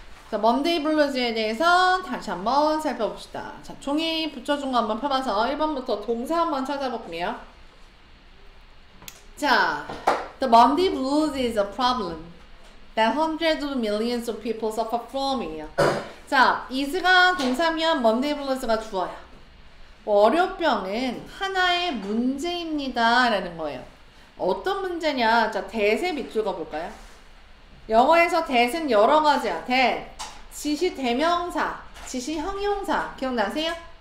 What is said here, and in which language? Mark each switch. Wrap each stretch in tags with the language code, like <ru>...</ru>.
<ko>자, 먼데이 블루즈에 대해서 다시 한번 살펴봅시다. 자, 종이 붙여준 거 한번 펴봐서 1번부터 동사 한번 찾아볼게요.</ko> <en>자, The Monday blues is a problem that hundreds of millions of people suffer from.</en> <ko>자, is가 동사면 Monday blues가 주어야. 월요병은 하나의 문제입니다. 라는 거예요. 어떤 문제냐? 자, 대세 밑줄 가볼까요? 영어에서 that은 여러 가지야. that, 지시 대명사, 지시 형용사 기억나세요?</ko>